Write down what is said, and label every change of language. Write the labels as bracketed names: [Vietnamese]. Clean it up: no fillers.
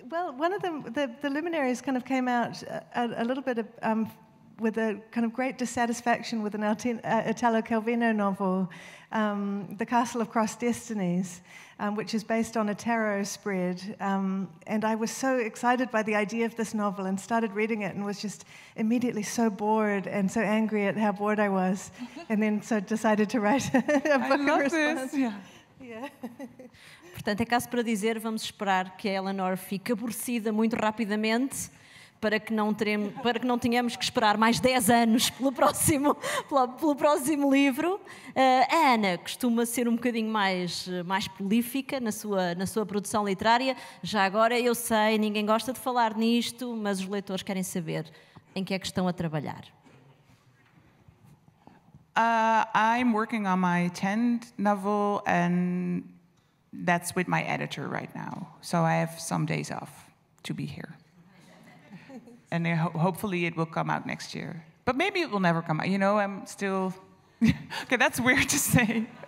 [English] Well, one of them, the Luminaries kind of came out a little bit with a kind of great dissatisfaction with an Italo Calvino novel, The Castle of Cross Destinies, which is based on a tarot spread. And I was so excited by the idea of this novel and started reading it and was just immediately so bored and so angry at how bored I was. And then so decided to write a book in response. I love this, yeah. [Portuguese] Portanto, é caso para dizer, vamos esperar que a Eleanor fique aborrecida muito rapidamente. Para que não tenhamos que esperar mais 10 anos pelo próximo livro. A Hanna costuma ser um bocadinho mais prolífica na sua produção literária. Já agora, eu sei, ninguém gosta de falar nisto, mas os leitores querem saber em que é que estão a trabalhar. [English] I'm working on my 10th novel, and that's with my editor right now. So I have some days off to be here. And hopefully it will come out next year. But maybe it will never come out. You know, I'm still... okay, that's weird to say.